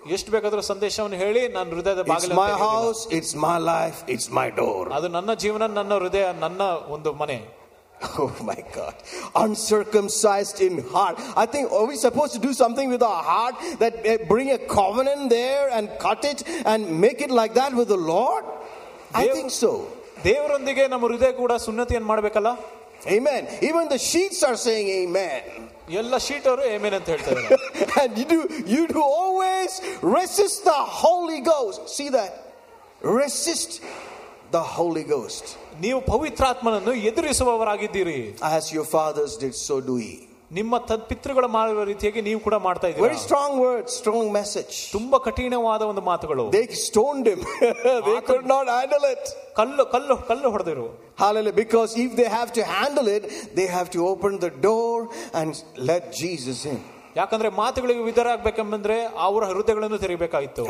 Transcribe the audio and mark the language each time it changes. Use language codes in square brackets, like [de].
[kn] ಎಷ್ಟು ಬೇಕಾದರೂ ಸಂದೇಶವನ್ನು ಹೇಳಿ ನನ್ನ ಹೃದಯದ ಬಾಗಿಲು. [en] It's my house, it's my life, it's my door. [kn] ಅದು ನನ್ನ ಜೀವನ, ನನ್ನ ಹೃದಯ, ನನ್ನ ಒಂದು ಮನೆ. [en] Oh my God. Uncircumcised in heart. I think, are we supposed to do something with our heart, that bring a covenant there and cut it and make it like that with the Lord? I think so. [kn] ದೇವರೊಂದಿಗೆ ನಮ್ಮ ಹೃದಯ ಕೂಡ ಸುನ್ನತಿಯನ್ನು ಮಾಡಬೇಕಲ್ಲ. [en] Amen. Even the sheets are saying amen. [kn] ಎಲ್ಲ sheet ಅವರು amen ಅಂತ ಹೇಳ್ತಾರೆ. [en] And you do always resist the Holy Ghost. See that? Resist the Holy Ghost. [kn] ನೀವು ಪವಿತ್ರಾತ್ಮನನ್ನು ಎದುರಿಸುವವರಾಗಿದ್ದೀರಿ. [en] As your fathers did, so do ye. [kn] ನಿಮ್ಮ ತತ್ಪಿತೃಗಳು ಮಾಡುವ ರೀತಿಯಾಗಿ ನೀವು ಕೂಡ ಮಾಡ್ತಾ ಇದ್ದೀರಿ. [en] Very strong words, strong message. [kn] ತುಂಬಾ ಕಠಿಣವಾದ ಒಂದು ಮಾತುಗಳು. [en] They stoned him. They could not handle it. [kn] ಕಲ್ಲು ಹೊಡೆದರು. [en] Hallelujah. Because if they have to handle it, they have to open the door and let Jesus in. [kn] ಯಾಕಂದ್ರೆ ಮಾತುಗಳಿಗೆ ವಿದರ ಆಗಬೇಕೆಂಬಂದ್ರೆ ಅವರ ಹೃದಯಗಳನ್ನು ತೆರೆಯಬೇಕಾಯಿತು.